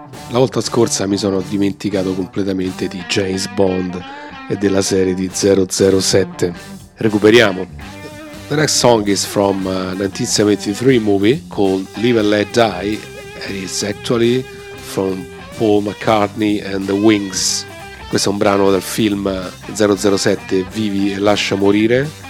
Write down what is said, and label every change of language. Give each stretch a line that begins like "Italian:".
Italian: La volta scorsa mi sono dimenticato completamente di James Bond e della serie di 007. Recuperiamo.
English: The next song is from a 1973 movie called Live and Let Die, and it's actually from Paul McCartney and the Wings.
Italian: Questo è un brano del film 007 Vivi e lascia morire.